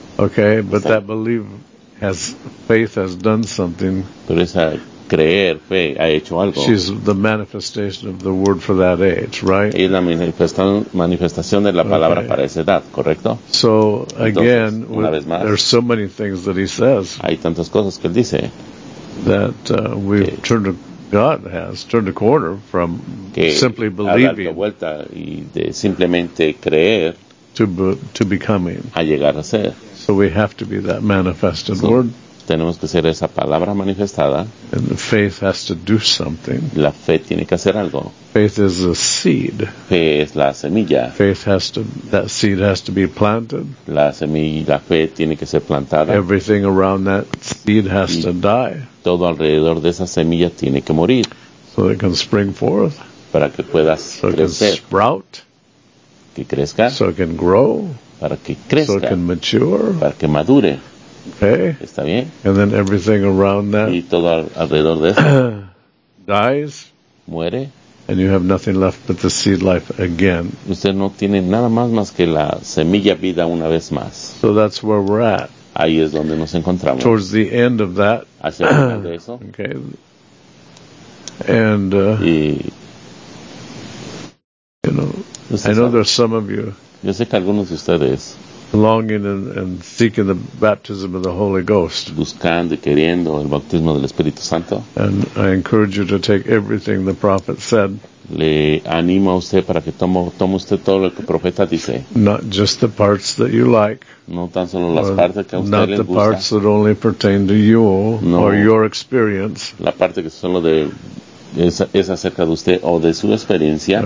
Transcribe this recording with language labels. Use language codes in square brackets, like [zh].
[en] Okay, but that belief has faith has done something. [es] Pero esa creer fe ha hecho algo. [en] She's the manifestation of the word for that age, right? [es] Y la manifestación de la palabra para esa edad, ¿correcto? [en] So again, [es] entonces, una vez más, [en] there's so many things that he says. [es] Hay tantas cosas que él dice. [en] That we've turned a, God has turned a corner from [es] que [en] simply believing. [es] Ha dado vuelta y de simplemente creer. [en] To becoming. [es] A llegar a ser. [en] So we have to be that manifested word. [es] tenemos que ser esa palabra manifestada. [en] And faith has to do something. [es] La fe tiene que hacer algo. [en] Faith is a seed. [es] Fe es la semilla. [en] Faith has to, that seed has to be planted. [es] La semilla, la fe tiene que ser plantada. [en] Everything around that seed has to die. [es] Todo alrededor de esa semilla tiene que morir. [en] So it can spring forth. [es] Para que pueda [en] so [es] crecer. [en] It can sprout. [es] Que crezca. [en] So it can grow. [es] Para que crezca. [en] So it can mature. [es] Para que madure. [en] Okay. [es] Está bien. [en] And then everything around that. [es] Y todo alrededor de eso. [en] Dies. [es] Muere. [en] And you have nothing left but the seed life again. [es] Usted no tiene nada más que la semilla vida una vez más. [en] So that's where we're at. [es] Ahí es donde nos encontramos. [en] Towards the end of that. [es] Hacia el final de eso. [en] Okay. And. [es] Y, [en] you know. I know there's some of you. [es] Yo sé que algunos de ustedes. [en] Longing and seeking the baptism of the Holy Ghost. [es] Buscando y queriendo el bautismo del Espíritu Santo. [en] And I encourage you to take everything the prophet said. [es] Le animo a usted para que tome usted todo lo que el profeta dice. [en] Not just the parts that you like. [es] No tan solo las partes que a usted le gusta. [en] Not the parts that only pertain to you or your experience. [es] La parte que solo de es acerca de usted o de su experiencia.